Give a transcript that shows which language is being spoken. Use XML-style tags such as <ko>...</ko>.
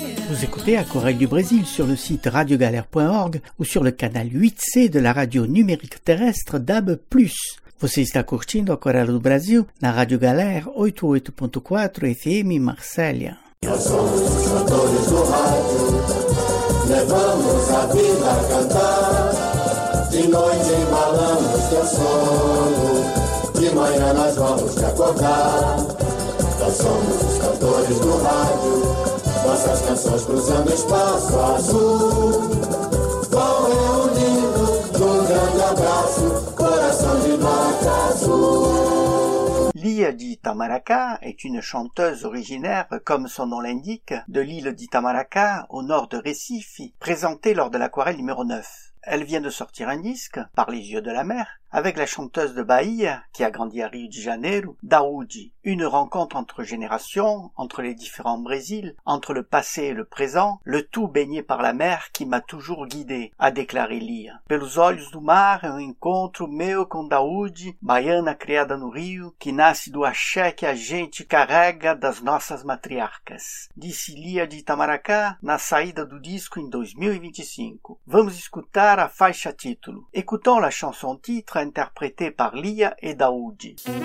<fr>Vous écoutez à Corée du Brésil sur le site radiogalère.org ou sur le canal 8C de la radio numérique terrestre DAB+.</fr> <pt>Você está curtindo a Corée do Brasil na Rádio Galère 88.4 FM Marselha. Nós somos os cantores do rádio, levamos a vida a cantar. De noite embalamos teu sono, de manhã nós vamos te acordar. Nós somos os cantores do rádio, nossas canções cruzando espaço azul. Vão reunindo num grande abraço, coração de nota azul.</pt> <fr>Lia d'Itamaracá est une chanteuse originaire, comme son nom l'indique, de l'île d'Itamaracá, au nord de Recife, présentée lors de l'aquarelle numéro 9. Elle vient de sortir un disque, Par les yeux de la mer, avec la chanteuse de Bahia, qui a grandi à Rio de Janeiro, Daoudi. Une rencontre entre générations, entre les différents Brésils, entre le passé et le présent, le tout baigné par la mer qui m'a toujours guidé, a déclaré Lia.</fr> <pt>Pelos olhos do mar, um encontro meu com Daoudi, baiana criada no Rio, que nasce do axé que a gente carrega das nossas matriarcas. Disse Lia de Itamaracá na saída do disco em 2025. Vamos escutar a faixa título.</pt> <fr>Écoutons la chanson titre, interprété par Lia et Daoudi.</fr>